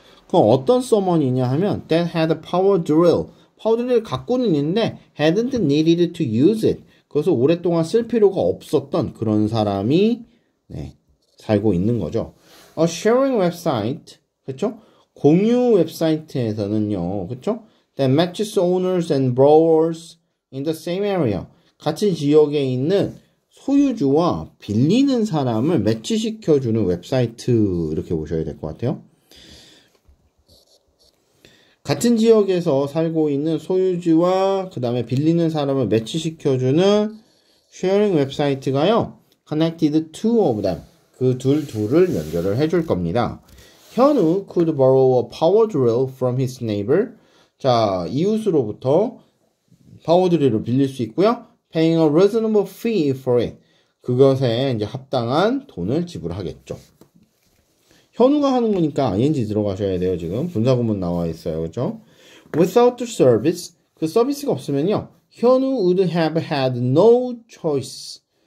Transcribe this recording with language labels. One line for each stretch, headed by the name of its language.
Korean: 그럼 어떤 someone이냐 하면
English: that had a power drill.
Korean: 파워 드릴을 갖고는 있는데
English: hadn't needed to use it.
Korean: 그것을 오랫동안 쓸 필요가 없었던 그런 사람이 네, 살고 있는 거죠.
English: A sharing website,
Korean: 그렇죠? 공유 웹사이트에서는요, 그렇죠?
English: That matches owners and borrowers in the same area.
Korean: 같은 지역에 있는 소유주와 빌리는 사람을 매치시켜주는 웹사이트 이렇게 보셔야 될것 같아요. 같은 지역에서 살고 있는 소유주와 그 다음에 빌리는 사람을 매치시켜주는 sharing 웹사이트가요.
English: Connected two of them.
Korean: 그둘 둘을 연결을 해줄 겁니다.
English: 현우 could borrow a power drill from his neighbor.
Korean: 자, 이웃으로부터 파워 드릴을 빌릴 수 있고요.
English: Paying a reasonable fee for it.
Korean: 그것에 이제 합당한 돈을 지불하겠죠. 현우가 하는 거니까 ing 들어가셔야 돼요. 지금 분사구문 나와 있어요, 그렇죠?
English: Without the service,
Korean: 그 서비스가 없으면요,
English: 현우 would have had no choice.